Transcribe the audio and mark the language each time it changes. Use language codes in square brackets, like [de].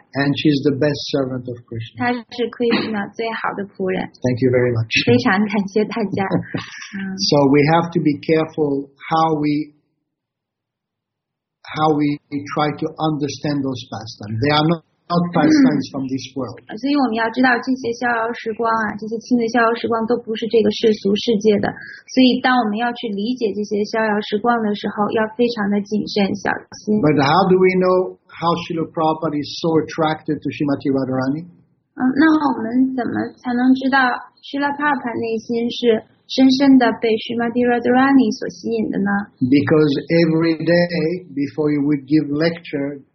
[en] And she's the best servant of Krishna. [zh] 她是 Krishna 最好的仆人。 [en] Thank you very much. [zh] 非常感谢大家。 [en] So we have to be careful how we try to understand those pastimes. They are not pastimes from this world. [zh] 所以我们要知道这些逍遥时光啊，这些清净逍遥时光都不是这个世俗世界的。所以当我们要去理解这些逍遥时光的时候，要非常的谨慎小心。 [en] But how do we know how Srila Prabhupada is so attracted to Srimati Radharani? [zh] 那我们怎么才能知道 Srila Prabhupada 内心是深深的被 Srimati Radharani 所吸引的呢？ [en] Because every day before you would give lecture.